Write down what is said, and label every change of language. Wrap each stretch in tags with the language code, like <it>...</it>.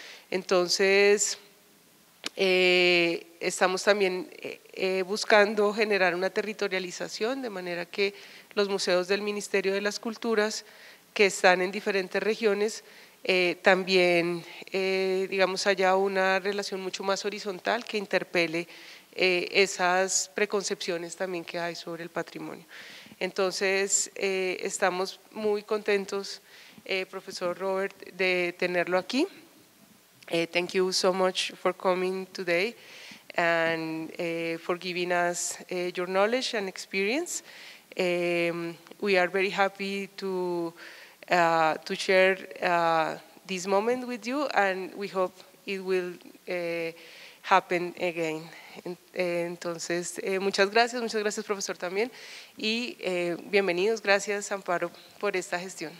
<es>Entonces, estamos también buscando generar una territorialización, de manera que los museos del Ministerio de las Culturas, que están en diferentes regiones, también, digamos, haya una relación mucho más horizontal que interpele esas preconcepciones también que hay sobre el patrimonio. Entonces, estamos muy contentos, profesor Robert, de tenerlo aquí.</es> <en>Thank you so much for coming today and for giving us your knowledge and experience. We are very happy to share this moment with you, and we hope it will happen again.</en> <es>Entonces, muchas gracias profesor también, y bienvenidos, gracias Amparo por esta gestión.</es>